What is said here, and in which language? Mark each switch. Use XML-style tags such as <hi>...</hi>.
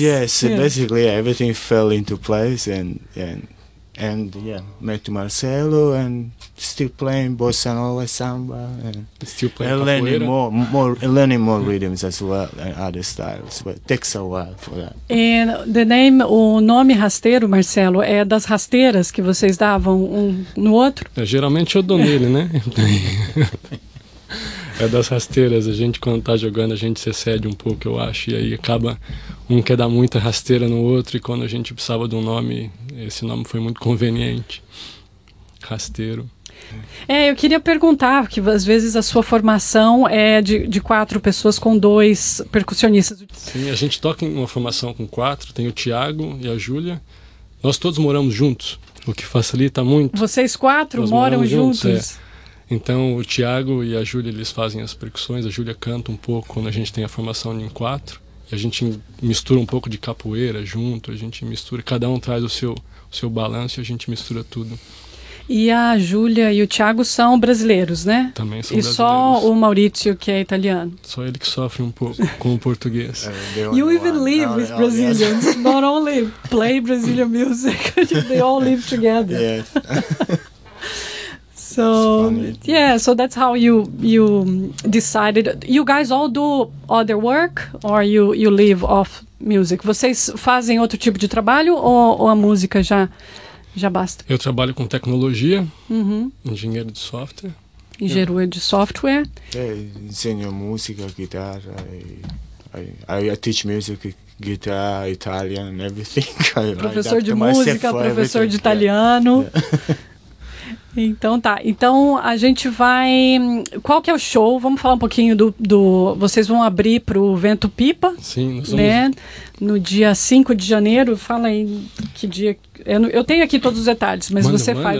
<en>Yes, yeah. Basically everything fell into place, and yeah, met Marcelo, and still playing bossa nova, samba, and still playing and learning capoeira. Learning more rhythms as well and other styles, but it takes a while for that. And the name,</en> <pt>o nome rasteiro, Marcelo, é das rasteiras que vocês davam um no outro? É, geralmente eu dou nele, né? É das rasteiras, a gente quando tá jogando a gente se excede um pouco, eu acho, e aí acaba um quer dar muita rasteira no outro, e quando a gente precisava de um nome, esse nome foi muito conveniente, rasteiro. É, eu queria perguntar, que às vezes a sua formação é de quatro pessoas com dois percussionistas. Sim, a gente toca em uma formação com quatro, tem o Thiago e a Júlia, nós todos moramos juntos, o que facilita muito. Vocês quatro nós moram juntos? É. Então, o Thiago e a Júlia, eles fazem as percussões. A Júlia canta um pouco quando a gente tem a formação em quatro. E a gente mistura um pouco de capoeira junto. A gente mistura, cada um traz o seu balanço e a gente mistura tudo. E a Júlia e o Thiago são brasileiros, né? Também são e brasileiros. E só o Maurício, que é italiano. Só ele que sofre um pouco com o português.</pt> <en>You even live with Brazilians. Not only play Brazilian music, they all live together. Yes. So yeah, so that's how you decided. You guys all do other work, or you live off music?</en> <pt>Vocês fazem outro tipo de trabalho ou a música já basta? Eu trabalho com tecnologia, engenheiro de software. Engenheiro de software. É, ensino música, guitarra.</pt> <en>I teach music, guitar, Italian, everything.</en> <pt>Professor de música, professor de italiano.</pt> <en>Yeah.</en> <pt>Então tá, então a gente vai... Qual que é o show? Vamos falar um pouquinho do... Vocês vão abrir pro Vento Pipa? Sim, nós vamos... Né? No dia 5 de janeiro, fala aí que dia... Eu tenho aqui todos os detalhes, mas você faz...</pt>